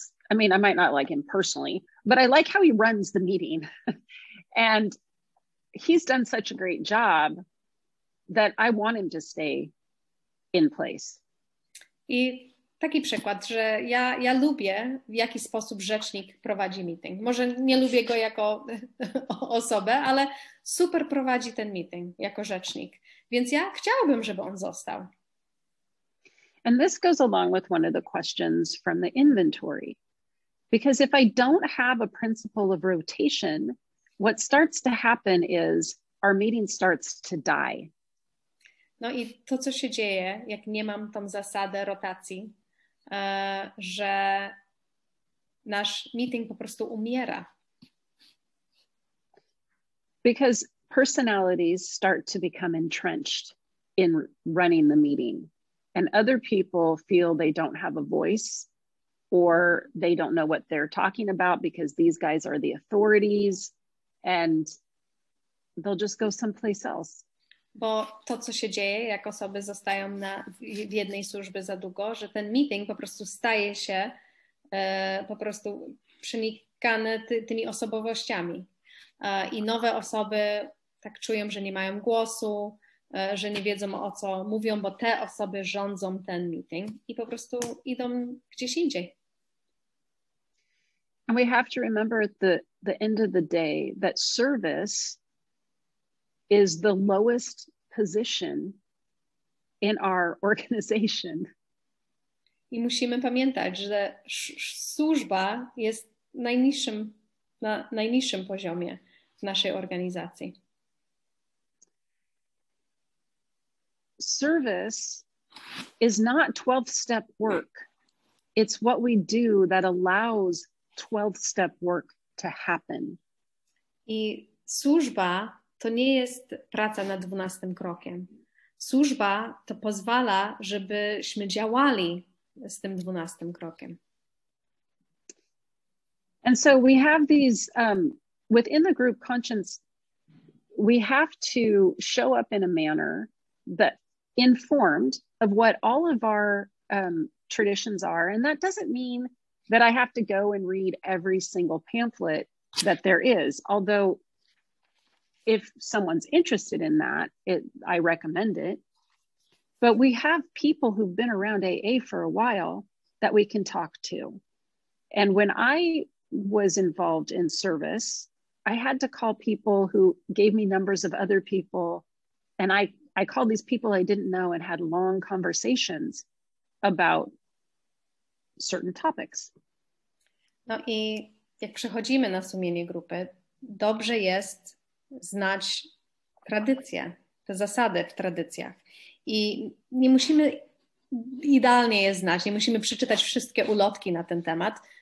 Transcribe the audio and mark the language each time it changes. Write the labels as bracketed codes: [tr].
[en] I might not like him personally, but I like how he runs the meeting. And he's done such a great job that I want him to stay in place. [pl] I taki przykład, że ja lubię, w jaki sposób rzecznik prowadzi meeting. Może nie lubię go jako osobę, ale super prowadzi ten meeting jako rzecznik. Więc ja chciałabym, żeby on został. [en] And this goes along with one of the questions from the inventory. Because if I don't have a principle of rotation, what starts to happen is our meeting starts to die. [pl] No i to, co się dzieje, jak nie mam tą zasadę rotacji, że nasz meeting po prostu umiera. [en] Because personalities start to become entrenched in running the meeting. And other people feel they don't have a voice, or they don't know what they're talking about because these guys are the authorities, and they'll just go someplace else. [pl] Bo to, co się dzieje, jak osoby zostają w jednej służbie za długo, że ten meeting po prostu staje się po prostu przenikany tymi osobowościami. I nowe osoby tak czują, że nie mają głosu, że nie wiedzą, o co mówią, bo te osoby rządzą ten meeting i po prostu idą gdzieś indziej. [en] And we have to remember at the end of the day that service is the lowest position in our organization. [pl] I musimy pamiętać, że służba jest na najniższym poziomie w naszej organizacji. [en] Service is not 12-step work. It's what we do that allows 12-step work to happen. [pl] I służba to nie jest praca nad 12 krokiem. Służba to pozwala, żebyśmy działali z tym 12 krokiem. [en] And so we have these, within the group conscience, we have to show up in a manner that informed of what all of our traditions are. And that doesn't mean that I have to go and read every single pamphlet that there is. Although if someone's interested in that, I recommend it. But we have people who've been around AA for a while that we can talk to. And when I was involved in service, I had to call people who gave me numbers of other people. And I called these people I didn't know and had long conversations about certain topics. [pl] No i jak przechodzimy na sumienie grupy, dobrze jest znać tradycję, te zasady w tradycjach. I nie musimy idealnie je znać, nie musimy przeczytać wszystkie ulotki na ten temat.